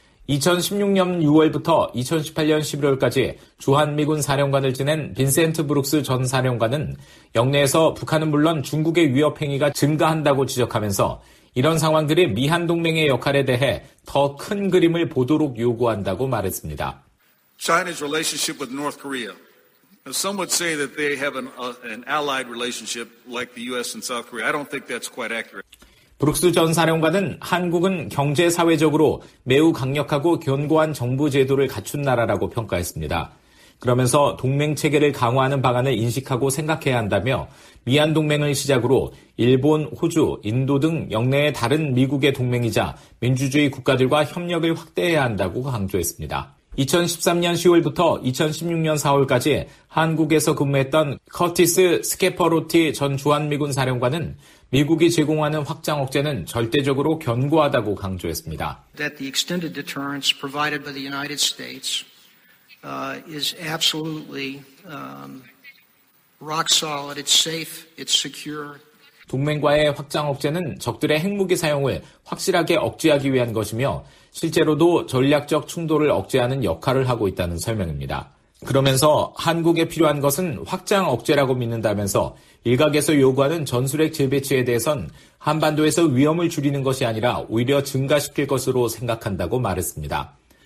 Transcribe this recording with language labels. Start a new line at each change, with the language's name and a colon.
Korean: 2016년 6월부터 2018년 11월까지 주한미군 사령관을 지낸 빈센트 브룩스 전 사령관은 영내에서 북한은 물론 중국의 위협 행위가 증가한다고 지적하면서 이런 상황들이 미한 동맹의 역할에 대해 더 큰 그림을 보도록 요구한다고 말했습니다.
English: China's relationship with North Korea. Some would say that they have an allied relationship like the US and South Korea. I don't think that's quite accurate.
Korean: 브룩스 전 사령관은 한국은 경제사회적으로 매우 강력하고 견고한 정부 제도를 갖춘 나라라고 평가했습니다. 그러면서 동맹 체계를 강화하는 방안을 인식하고 생각해야 한다며 미한 동맹을 시작으로 일본, 호주, 인도 등 영내의 다른 미국의 동맹이자 민주주의 국가들과 협력을 확대해야 한다고 강조했습니다. 2013년 10월부터 2016년 4월까지 한국에서 근무했던 커티스 스케퍼로티 전 주한미군 사령관은 미국이 제공하는 확장 억제는 절대적으로 견고하다고 강조했습니다.
English: That the extended deterrence provided by the United States is absolutely rock solid. It's safe. It's secure.
Korean: 동맹과의 확장 억제는 적들의 핵무기 사용을 확실하게 억제하기 위한 것이며 실제로도 전략적 충돌을 억제하는 역할을 하고 있다는 설명입니다. 그러면서 한국에 필요한 것은 확장 억제라고 믿는다면서 일각에서 요구하는 전술핵 재배치에 대해선 한반도에서 위험을 줄이는 것이 아니라 오히려 증가시킬 것으로 생각한다고 말했습니다.